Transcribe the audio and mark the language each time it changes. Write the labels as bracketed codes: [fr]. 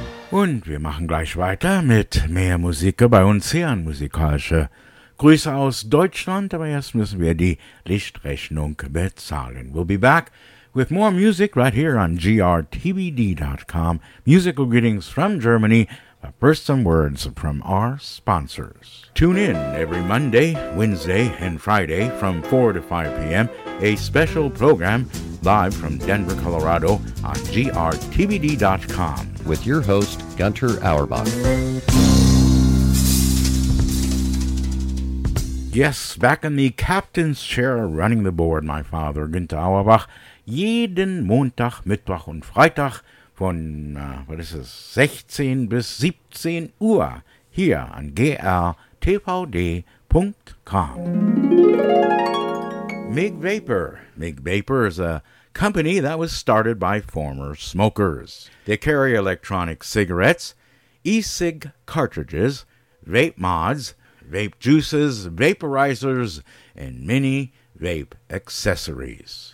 [de] Und wir machen gleich weiter mit mehr Musik bei uns hier an Musikalische. Grüße aus Deutschland, aber erst müssen wir die Lichtrechnung bezahlen. [en] We'll be back with more music right here on grtvd.com. Musical greetings from Germany, but first some words from our sponsors. Tune in every Monday, Wednesday, and Friday from 4 to 5 p.m. A special program live from Denver, Colorado on grtvd.com. With your host, Gunter Auerbach. Yes, back in the captain's chair running the board, my father, Gunter Auerbach. [de] Jeden Montag, Mittwoch und Freitag von 16 bis 17 Uhr hier an grtvd.com. [en] Mgfg is a company that was started by former smokers. They carry electronic cigarettes, e-cig cartridges, vape mods, vape juices, vaporizers, and many vape accessories.